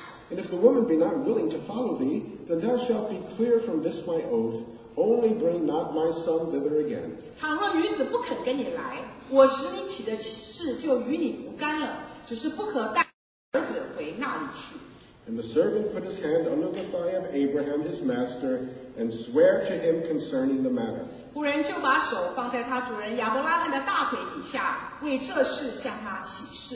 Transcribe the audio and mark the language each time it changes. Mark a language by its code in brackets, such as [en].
[en] And if the woman be not willing to follow thee, then thou shalt be clear from this my oath, only bring not my son thither again. [zh] 倘若女子不肯跟你来，我使你起的誓就与你无干了，只是不可带儿子回那里去。 [en] And the servant put his hand under the thigh of Abraham his master and swear to him concerning the matter. [zh] 仆人就把手放在他主人亚伯拉罕的大腿底下，为这事向他起誓。